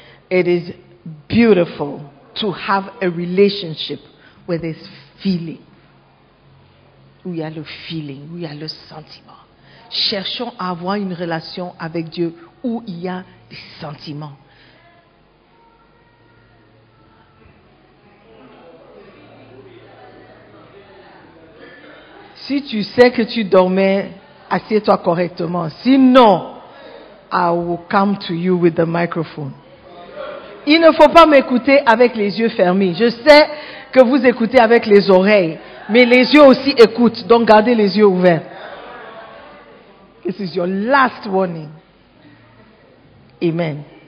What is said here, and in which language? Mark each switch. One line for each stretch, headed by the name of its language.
English: It is beautiful to have a relationship where there's feeling.
French: Où il y a le feeling, où il y a le sentiment. Cherchons à avoir une relation avec Dieu où il y a des sentiments. Si tu sais que tu dormais, assieds-toi correctement.
English: Sinon, I will come to you with the microphone.
French: Il ne faut pas m'écouter avec les yeux fermés. Je sais que vous écoutez avec les oreilles, mais les yeux aussi écoutent. Donc gardez les yeux ouverts.
English: This is your last warning.
French: Amen.